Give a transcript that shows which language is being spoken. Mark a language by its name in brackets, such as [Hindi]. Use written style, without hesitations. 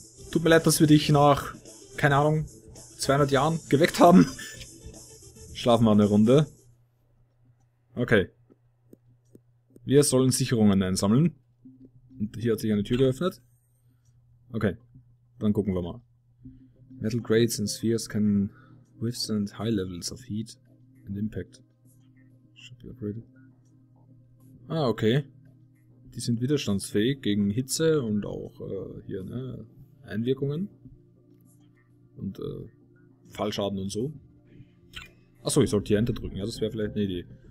[German] Tut mir leid, dass wir dich nach, keine Ahnung, 200 Jahren geweckt haben. Schlafen wir eine Runde. Okay. Wir sollen Sicherungen einsammeln. Und hier hat sich eine Tür geöffnet. Okay. Dann gucken wir mal. [English] Metal grades and spheres can withstand high levels of heat and impact. Should be upgraded. Ah, okay. [German] Die sind widerstandsfähig gegen Hitze und auch hier, ne, Einwirkungen. Und Fallschaden und so. Achso, ich sollte hier Enter drücken, ja, das wäre vielleicht eine Idee.